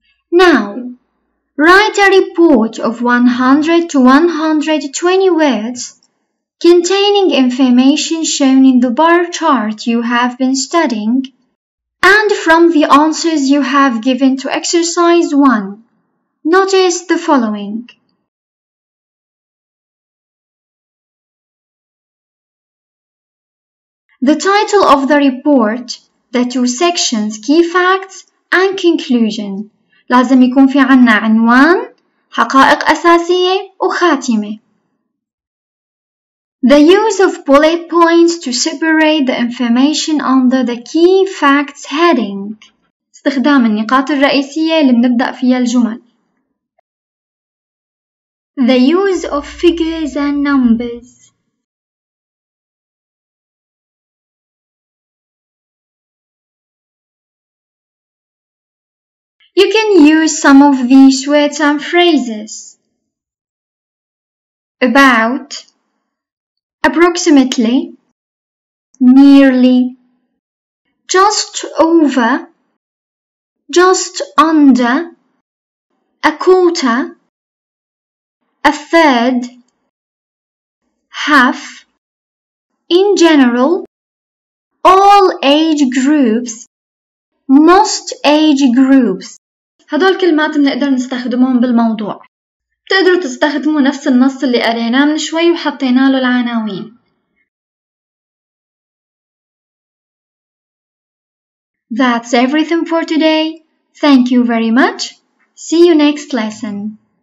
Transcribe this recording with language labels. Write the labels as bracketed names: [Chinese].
[English] Now, write a report of 100 to 120 words containing information shown in the bar chart you have been studying and from the answers you have given to exercise 1. Notice the following. The title of the report, the two sections, key facts and conclusion. [Arabic] لازم يكون في عنا عنوان، حقائق أساسية وخاتمة. [English] The use of bullet points to separate the information under the key facts heading. [Arabic] استخدام النقاط الرئيسية اللي بنبدأ فيها الجمل. [English] The use of figures and numbers. You can use some of these words and phrases. About, approximately, nearly, just over, just under, a quarter, a third, half, in general, all age groups, most age groups. [Arabic] هدول كلمات بنقدر نستخدمهم بالموضوع. بتقدروا تستخدموا نفس النص اللي قريناه من شوي وحطينا له العناوين. [English] That's everything for today. Thank you very much. See you next lesson.